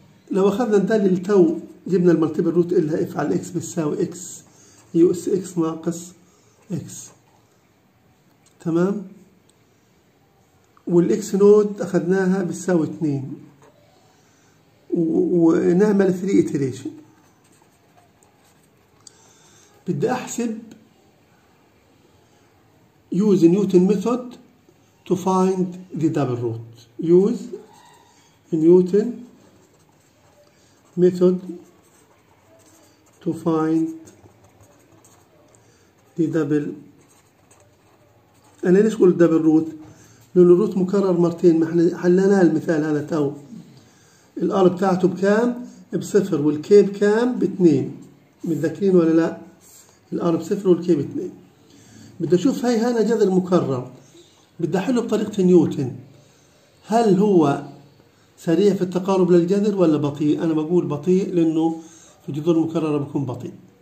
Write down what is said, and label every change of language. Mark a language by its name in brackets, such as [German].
[Arabic] لو اخذنا الدالة للتو جبنا المالتيبل روت الها اف على اكس بتساوي اكس يؤس اكس ناقص اكس، تمام؟ والاكس نود اخذناها بتساوي 2 ونعمل 3 اتريشن. بدي احسب يوز نيوتن ميثود [English] to find the double root. Use Newton method to find the double. [Arabic] انا ليش قلت double root؟ لانه الروت مكرر مرتين، ما احنا حلناها المثال هذا تو. الار بتاعته بكام؟ بصفر، والكي بكام؟ باثنين. متذكرين ولا لا؟ الار بصفر والكي باثنين. بدي اشوف هي هذا جذر مكرر، بدي احله بطريقة نيوتن، هل هو سريع في التقارب للجذر ولا بطيء؟ انا بقول بطيء لانه في جذور مكررة بكون بطيء.